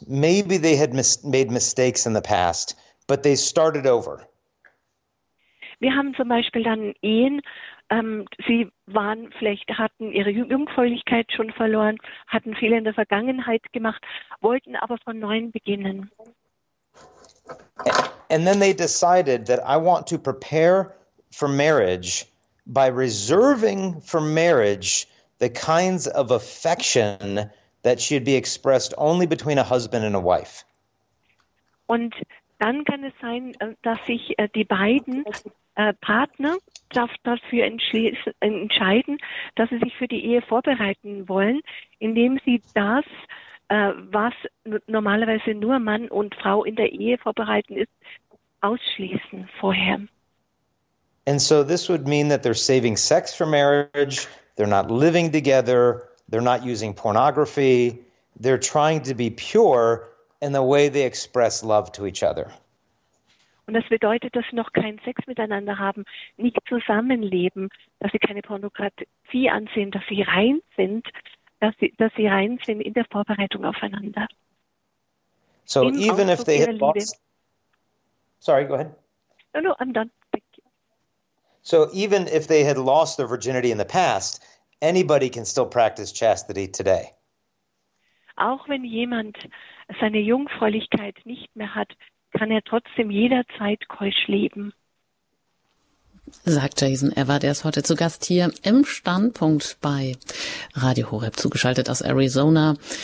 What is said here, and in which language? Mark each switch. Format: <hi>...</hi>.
<en>Maybe they had made mistakes in the past, but they started over.</en> <de>Wir haben zum Beispiel dann Ehen, sie waren vielleicht, hatten ihre Jungfräulichkeit schon verloren, hatten viel in der Vergangenheit gemacht, wollten aber von neuem beginnen.</de> <en>And then they decided that I want to prepare for marriage by reserving for marriage the kinds of affection that should be expressed only between a husband and a wife.</en> <de>Und dann kann es sein, dass sich die beiden Partner dafür entscheiden, dass sie sich für die Ehe vorbereiten wollen, indem sie das, was normalerweise nur Mann und Frau in der Ehe vorbereiten ist, ausschließen vorher.</de> <en>And so this would mean that they're saving sex for marriage, they're not living together, they're not using pornography, they're trying to be pure in the way they express love to each other.</en> <de>Und das bedeutet, dass sie noch keinen Sex miteinander haben, nicht zusammenleben, dass sie keine Pornografie ansehen, dass sie rein sind, dass sie rein sind in der Vorbereitung aufeinander.</de> <en>So</en> <de>Im</de> <en>even if they had</en> <de>Liebe.</de> <en>Lost... Sorry, go ahead. No, I'm done. Thank you. So even if they had lost their virginity in the past, anybody can still practice chastity today.</en> <de>Auch wenn jemand seine Jungfräulichkeit nicht mehr hat, kann er trotzdem jederzeit keusch leben. Sagt Jason Ewert, der ist heute zu Gast hier im Standpunkt bei Radio Horeb, zugeschaltet aus Arizona.</de>